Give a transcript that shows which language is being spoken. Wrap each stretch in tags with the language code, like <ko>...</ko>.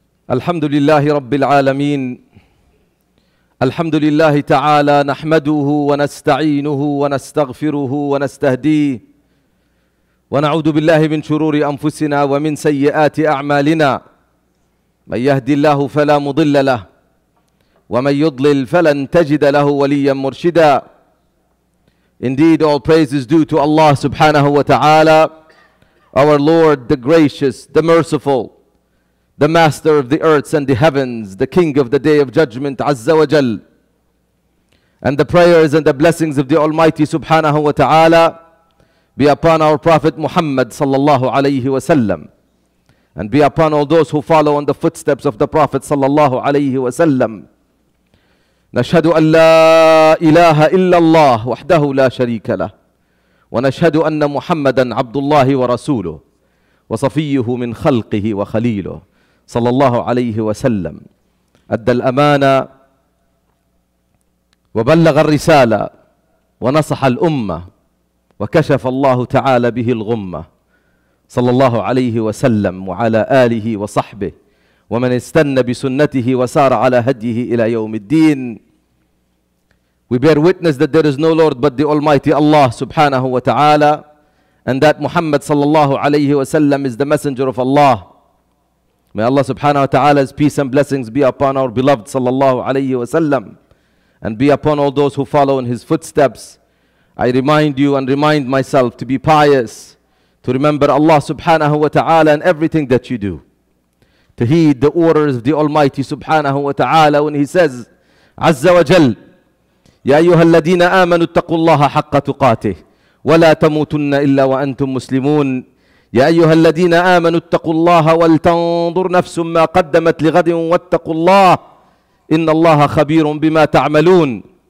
<ar>الحمد لله رب العالمين الحمد لله تعالى نحمده ونستعينه ونستغفره ونستهديه ونعوذ بالله من شرور أنفسنا ومن سيئات أعمالنا من يهدي الله فلا مضل له ومن يضلل فلن تجد له وليا مرشدا.</ar> <en>Indeed, all praise is due to Allah subhanahu wa ta'ala, our Lord, the gracious, the merciful, the master of the earths and the heavens, the king of the day of judgment, Azza wa Jal. And the prayers and the blessings of the Almighty subhanahu wa ta'ala be upon our Prophet Muhammad sallallahu alayhi wa sallam, and be upon all those who follow in the footsteps of the Prophet sallallahu alayhi wa sallam.</en> <ar>نشهد أن لا إله إلا الله وحده لا شريك له ونشهد أن محمدا عبد الله ورسوله وصفيه من خلقه وخليله صلى الله عليه وسلم أدى الأمانة وبلغ الرسالة ونصح الأمة وكشف الله تعالى به الغمة صلى الله عليه وسلم وعلى آله وصحبه ومن استنى بسنته وسار على هديه إلى يوم الدين.</ar> <en>We bear witness that there is no Lord but the Almighty Allah subhanahu wa ta'ala, and that Muhammad sallallahu alayhi wa sallam is the messenger of Allah. May Allah subhanahu wa ta'ala's peace and blessings be upon our beloved sallallahu alayhi wa sallam, and be upon all those who follow in his footsteps. I remind you and remind myself to be pious, to remember Allah subhanahu wa ta'ala in everything that you do, to heed the orders of the Almighty subhanahu wa ta'ala when he says, Azza wa Jal,</en> <ar>يا أيها الذين آمنوا اتقوا الله حق تقاته ولا تموتن إلا وأنتم مسلمون. يا أيها الذين آمنوا اتقوا الله ولتنظر نفس ما قدمت لغد واتقوا الله إن الله خبير بما تعملون.</ar>